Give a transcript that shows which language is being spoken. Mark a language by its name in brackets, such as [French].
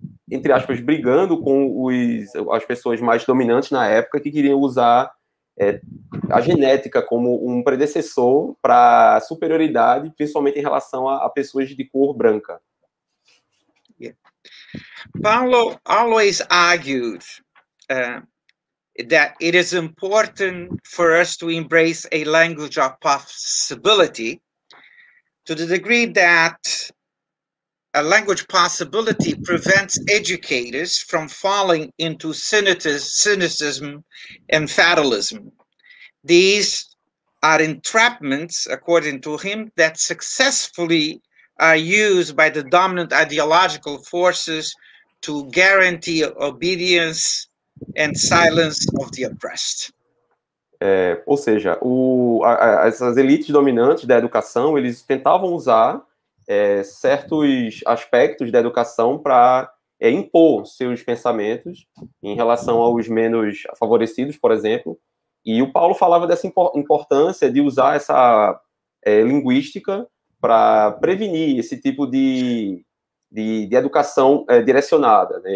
[Portuguese] entre aspas, brigando com os, as pessoas mais dominantes na época, que queriam usar a genética como um predecessor para superioridade, principalmente em relação a pessoas de cor branca. [English] Paulo always argued that it is important for us to embrace a language of possibility to the degree that a language possibility prevents educators from falling into cynicism and fatalism. These are entrapments, according to him, that successfully are used by the dominant ideological forces to guarantee obedience and silence of the oppressed. [Portuguese] Ou seja, essas elites dominantes da educação, eles tentavam usar certos aspectos da educação para impor seus pensamentos em relação aos menos favorecidos, por exemplo. E o Paulo falava dessa importância de usar essa linguística para prevenir esse tipo de educação direcionada, né?